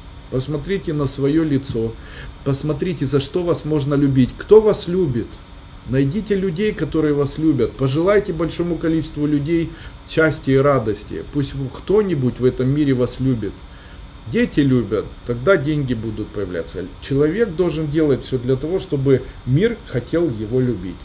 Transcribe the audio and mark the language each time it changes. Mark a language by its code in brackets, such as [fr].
[ru] Посмотрите на [uk] своє [ru] лицо. Посмотрите, [uk] за що [ru] вас можна любити. [uk] Хто вас любить? [ru] Найдите людей, которые вас любят. Пожелайте большому количеству людей счастья и радости. Пусть кто-нибудь в этом мире вас любит. Дети любят, тогда деньги будут появляться. Человек должен делать все для того, чтобы мир хотел его любить.